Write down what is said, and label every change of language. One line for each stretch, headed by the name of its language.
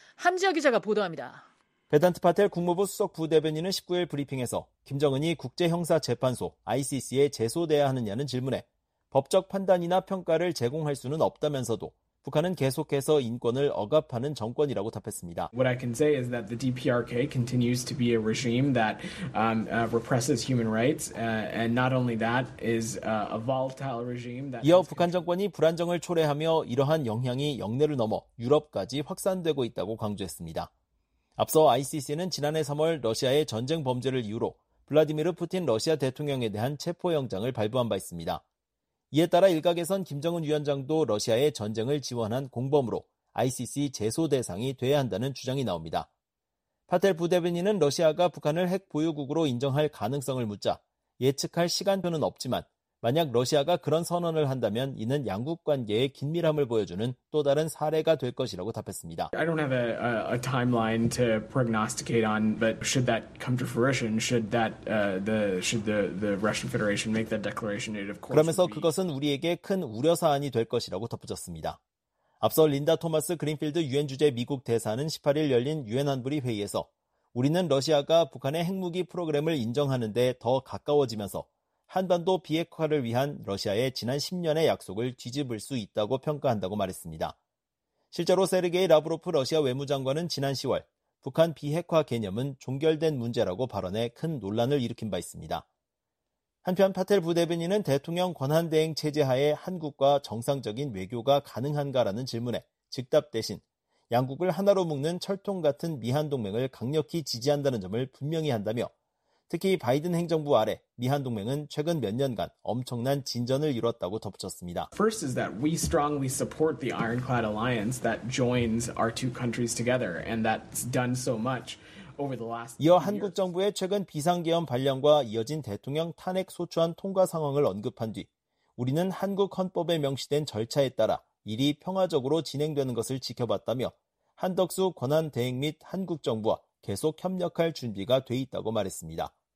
Korean: 함지아 기자가 보도합니다. 베단트 파텔 국무부 수석 부대변인은 19일 브리핑에서 김정은이 국제형사재판소 ICC에 제소돼야 하느냐는 질문에 법적 판단이나 평가를 제공할 수는 없다면서도 북한은 계속해서 인권을 억압하는 정권이라고 답했습니다.
English: What I can say is that the DPRK continues to be a regime that represses human rights and not only that is a volatile regime that
Korean: 이어 북한 정권이 불안정을 초래하며 이러한 영향이 영내를 넘어 유럽까지 확산되고 있다고 강조했습니다. 앞서 ICC는 지난해 3월 러시아의 전쟁 범죄를 이유로 블라디미르 푸틴 러시아 대통령에 대한 체포 영장을 발부한 바 있습니다. 이에 따라 일각에선 김정은 위원장도 러시아의 전쟁을 지원한 공범으로 ICC 제소 대상이 돼야 한다는 주장이 나옵니다. 파텔 부대변인은 러시아가 북한을 핵 보유국으로 인정할 가능성을 묻자 예측할 시간표는 없지만 만약 러시아가 그런 선언을 한다면 이는 양국 관계의 긴밀함을 보여주는 또 다른 사례가 될 것이라고 답했습니다.
English: I don't have a timeline to prognosticate on, but should that come to fruition, should the Russian Federation make that declaration, it of course.
Korean: 그러면서 그것은 우리에게 큰 우려 사안이 될 것이라고 덧붙였습니다. 앞서 린다 토마스 그린필드 유엔 주재 미국 대사는 18일 열린 유엔 안보리 회의에서 우리는 러시아가 북한의 핵무기 프로그램을 인정하는 데 더 가까워지면서 한반도 비핵화를 위한 러시아의 지난 10년의 약속을 뒤집을 수 있다고 평가한다고 말했습니다. 실제로 세르게이 라브로프 러시아 외무장관은 지난 10월 북한 비핵화 개념은 종결된 문제라고 발언해 큰 논란을 일으킨 바 있습니다. 한편 파텔 부대변인은 대통령 권한대행 체제 하에 한국과 정상적인 외교가 가능한가라는 질문에 즉답 대신 양국을 하나로 묶는 철통 같은 미한동맹을 강력히 지지한다는 점을 분명히 한다며 특히 바이든 행정부 아래 미한동맹은 최근 몇 년간 엄청난 진전을 이뤘다고 덧붙였습니다.
English: First is that we strongly support the ironclad alliance that joins our two countries together and that's done so much over the last
Korean: 이어 한국 정부의 최근 비상계엄 발령과 이어진 대통령 탄핵 소추안 통과 상황을 언급한 뒤 우리는 한국 헌법에 명시된 절차에 따라 일이 평화적으로 진행되는 것을 지켜봤다며 한덕수 권한대행 및 한국 정부와 계속 협력할 준비가 돼 있다고 말했습니다.